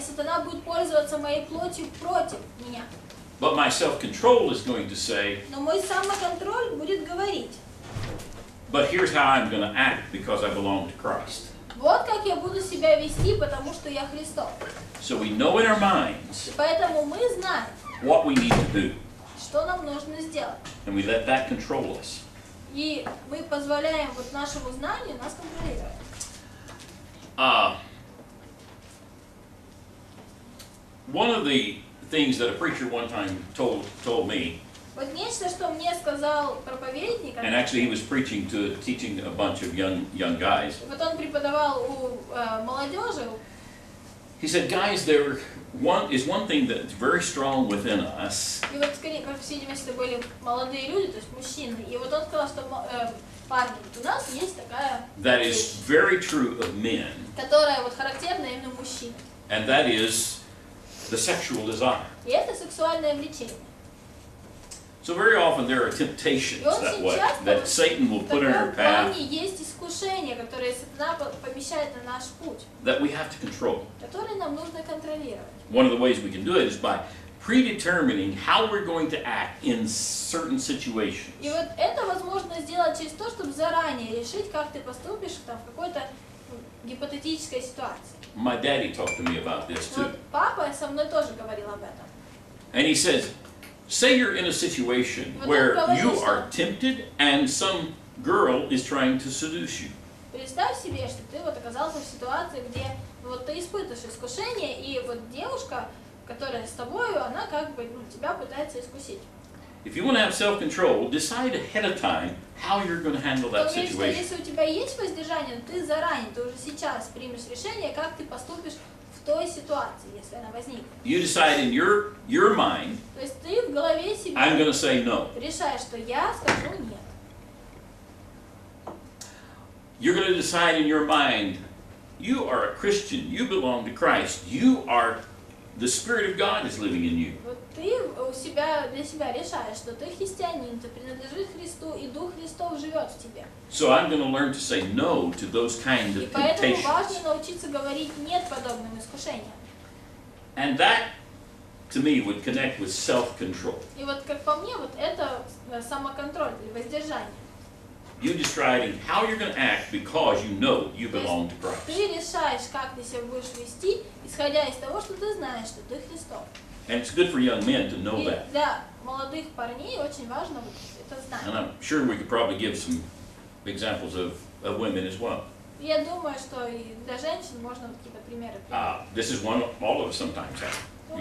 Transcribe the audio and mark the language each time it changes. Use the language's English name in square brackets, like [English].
[Russian] Сатана будет пользоваться моей плотью против меня. [English] But my self-control is going to say, [Russian] но мой самоконтроль будет говорить, [English] but here's how I'm going to act because I belong to Christ. [Russian] Вот как я буду себя вести, потому что я Христов. [English] So we know in our minds, [Russian] поэтому мы знаем, [English] what we need to do, [Russian] что нам нужно сделать. [English] And we let that control us. [Russian] И мы позволяем вот нашему знанию нас контролировать. [English] One of the things that a preacher one time told me, [Russian] вот нечто, что мне сказал проповедник, [English] and actually he was preaching to teaching a bunch of young guys, [Russian] вот он преподавал у молодежи, [English] he said, guys, there one is one thing that's very strong within us, [Russian] и вот скорее, как все вместе были молодые люди, то есть мужчины, и вот он сказал, что парни, у нас есть такая вещь, [English] that is very true of men, [Russian] которая вот характерна именно мужчин, [English] and that is the sexual desire. [Russian] И это сексуальное влечение. [English] So very often there are temptations that way that Satan will put in our path. [Russian] Есть искушения, которые Сатана помещает на наш путь. [English] That we have to control. [Russian] Которые нам нужно контролировать. [English] One of the ways we can do it is by predetermining how we're going to act in certain situations. [Russian] И вот это возможно сделать через то, чтобы заранее решить, как ты поступишь там в какой-то гипотетической ситуации. [English] My daddy talked to me about this too. [Russian] Папа со мной тоже говорил об этом. [English] And he says, say you're in a situation where you are tempted and some girl is trying to seduce you. [Russian] Представь себе, что ты вот оказался в ситуации, где вот ты испытываешь искушение, и вот девушка, которая с тобой, она как бы тебя пытается искусить. [English] If you want to have self-control, decide ahead of time how you're going to handle that situation. [Russian] Если у тебя есть воздержание, ты заранее, ты уже сейчас примешь решение, как ты поступишь в той ситуации, если она возникнет. [English] You decide in your mind. [Russian] То есть ты в голове себе. [English] I'm going to say no. [Russian] Решаешь, что я скажу нет. [English] You're going to decide in your mind. You are a Christian. You belong to Christ. You are the Spirit of God is living in you. [Russian] Ты у себя для себя решаешь, что ты христианин, ты принадлежишь Христу, и Дух Христов живет в тебе. [English] So I'm going to learn to say no to those kind of temptations. [Russian] И поэтому важно научиться говорить нет подобным искушениям. [English] And that, to me, would connect with self-control. [Russian] И вот как по мне, вот это самоконтроль или воздержание. [English] You're deciding how you're going to act because you know you belong to Christ. [Russian] Ты решаешь, как ты себя будешь вести, исходя из того, что ты знаешь, что ты Христов. [English] And it's good for young men to know that. [Russian] Для молодых парней очень важно это знать. [English] And I'm sure we could probably give some examples of women as well. [Russian] Я думаю, что и для женщин можно какие-то примеры. [English] This is one all of us sometimes have.